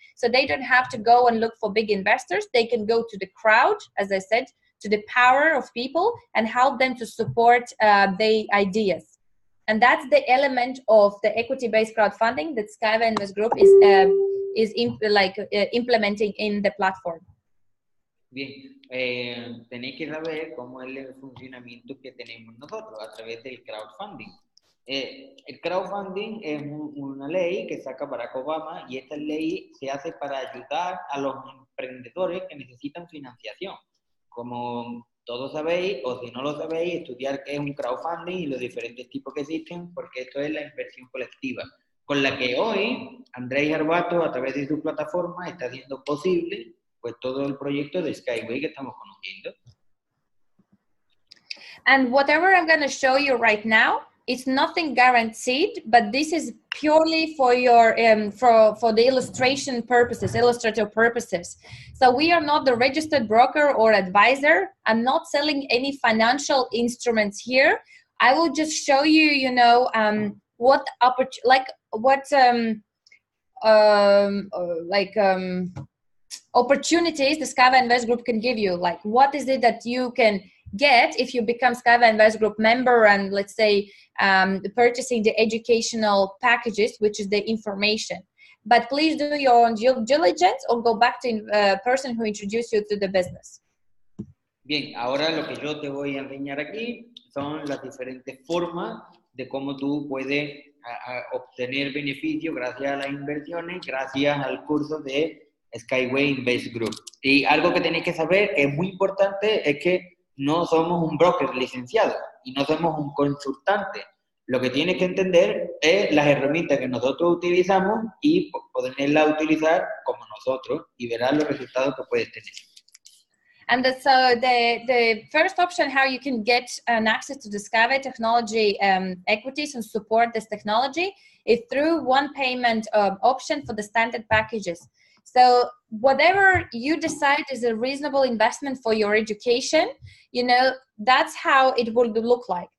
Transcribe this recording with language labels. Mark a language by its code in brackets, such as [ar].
[en] So they don't have to go and look for big investors. They can go to the crowd, as I said, to the power of people and help them to support their ideas. And that's the element of the equity-based crowdfunding that SkyWay Invest Group is implementing in the platform. [es] Bien, tenéis que saber cómo es el funcionamiento que tenemos nosotros a través del crowdfunding. El crowdfunding es una ley que saca Barack Obama y esta ley se hace para ayudar a los emprendedores que necesitan financiación. Como todos sabéis, o si no lo sabéis, estudiar qué es un crowdfunding y los diferentes tipos que existen, porque esto es la inversión colectiva, con la que hoy Andrés Arbato, a través de su plataforma, está haciendo posible todo el proyecto de SkyWay que estamos conociendo. [en] And whatever I'm going to show you right now, it's nothing guaranteed, but this is purely for your for the illustration purposes, illustrative purposes. So we are not the registered broker or advisor. I'm not selling any financial instruments here. I will just show you, you know, opportunities the SkyWay Invest Group can give you. Like, what is it that you can get if you become SkyWay Invest Group member and, let's say, purchasing the educational packages, which is the information. But please do your own due diligence or go back to the person who introduced you to the business. [es] Bien, ahora lo que yo te voy a enseñar aquí son las diferentes formas de cómo tú puedes obtener beneficio gracias a las inversiones, gracias al curso de SkyWay Invest Group. Y algo que tenéis que saber, que es muy importante, es que no somos un broker licenciado y no somos un consultante. Lo que tienes que entender es las herramientas que nosotros utilizamos y poderlas utilizar como nosotros y verás los resultados que puedes tener. [en] And so the first option, how you can get an access to the SkyWay technology equities and support this technology, is through one payment option for the standard packages. So whatever you decide is a reasonable investment for your education, you know, that's how it would look like.